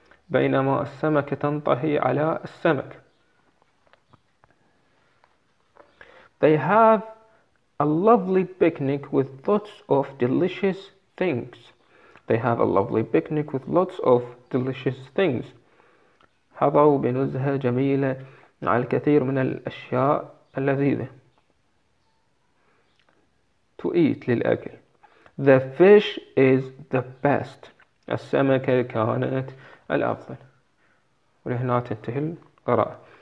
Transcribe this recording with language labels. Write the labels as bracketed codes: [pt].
[ar] بينما السمكة تنطهي على السمك. [en] They have a lovely picnic with lots of delicious things. They have a lovely picnic with lots of delicious things. [ar] حظوا بنزهة جميلة مع الكثير من الأشياء اللذيذة. [en] To eat [ar] للأكل. [en] The fish is the best. [ar] السمكة كانت الأفضل. ولهنا تنتهي القراءة.